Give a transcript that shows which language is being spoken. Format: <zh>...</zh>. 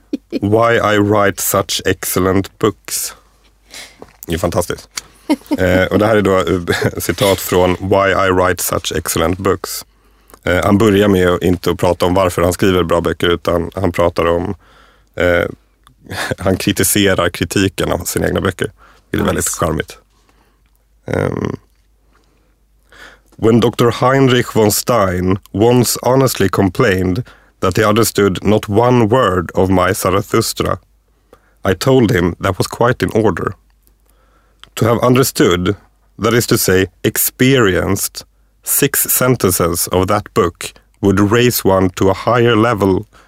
<en>Why I write such excellent books.</en> <sv>Det är fantastiskt. Och det här är då citat från Why I write such excellent books. Han börjar med inte att prata om varför han skriver bra böcker, utan han pratar om han kritiserar kritiken av sina egna böcker. Det är väldigt charmigt.</sv> <en>When Dr. Heinrich von Stein once honestly complained that he understood not one word of my Zarathustra, I told him that was quite in order. To have understood, that is to say, experienced, six sentences of that book would raise one to a higher level</en>